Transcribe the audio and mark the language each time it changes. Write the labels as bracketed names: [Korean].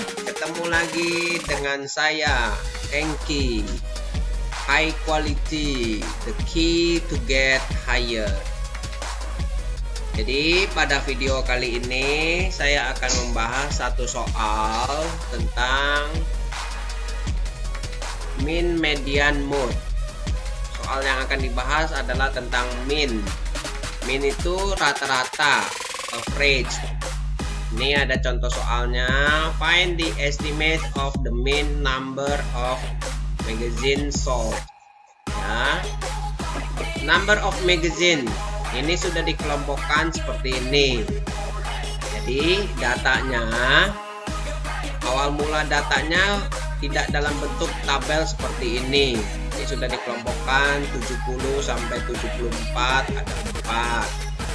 [Indonesian] Ketemu lagi dengan saya, Enki. [English] High quality, the key to get higher. [Indonesian] Jadi, pada video kali ini, saya akan membahas satu soal tentang mean median mode. Soal yang akan dibahas adalah tentang mean. Mean itu rata-rata, average. Ini ada contoh soalnya. [English] Find the estimate of the mean number of magazine sold. Ya. Number of magazine. [Indonesian] Ini sudah dikelompokkan seperti ini. Jadi datanya, awal mula datanya tidak dalam bentuk tabel seperti ini. Ini sudah dikelompokkan 70 sampai 74 ada 4.